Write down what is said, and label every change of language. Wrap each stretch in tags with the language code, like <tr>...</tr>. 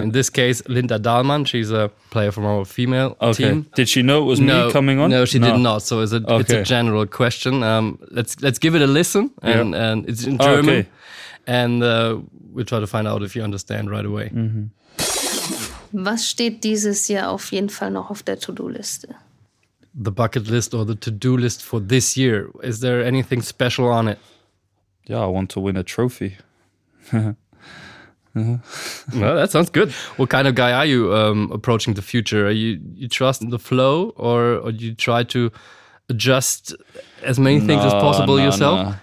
<en>In this case, Linda Dahlmann. She's a player from our female team. Did she know it was me coming on? No, she did not. So it's a general question. Let's give it a listen. And it's in German. Oh, okay. And we'll try to find out if you understand right away. Mm-hmm.</en> <de>Was steht dieses Jahr auf jeden Fall noch auf der To-Do-Liste?</de> <en>The bucket list or the to-do list for this year. Is there anything special on it? Yeah, I want to win a trophy. Well, that sounds good. What kind of guy are you approaching the future? Are you trust in the flow or do you try to adjust as many things as possible yourself?</en>